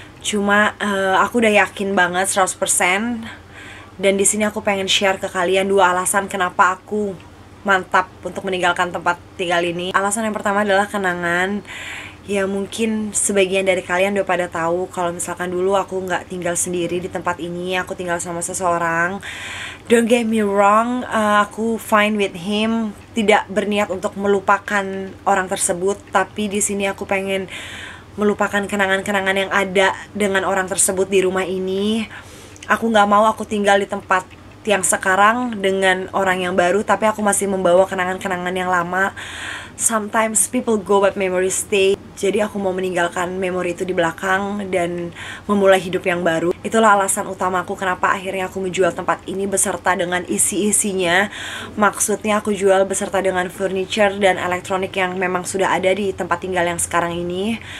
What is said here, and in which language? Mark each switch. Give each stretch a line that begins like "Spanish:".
Indonesian: Cuma aku udah yakin banget 100%. Dan di sini aku pengen share ke kalian dua alasan kenapa aku mantap untuk meninggalkan tempat tinggal ini. Alasan yang pertama adalah kenangan. Ya mungkin sebagian dari kalian udah pada tahu kalau misalkan dulu aku nggak tinggal sendiri di tempat ini, aku tinggal sama seseorang.
English: Don't get me wrong,
Indonesian: aku
English: fine with him.
Indonesian: Tidak berniat untuk melupakan orang tersebut, tapi di sini aku pengen melupakan kenangan-kenangan yang ada dengan orang tersebut di rumah ini. Aku gak mau aku tinggal di tempat yang sekarang dengan orang yang baru, tapi aku masih membawa kenangan-kenangan yang lama.
English: Sometimes people go but memories stay.
Indonesian: Jadi aku mau meninggalkan memori itu di belakang dan memulai hidup yang baru. Itulah alasan utama aku kenapa akhirnya aku menjual tempat ini beserta dengan isi-isinya. Maksudnya aku jual beserta dengan furniture dan elektronik yang memang sudah ada di tempat tinggal yang sekarang ini.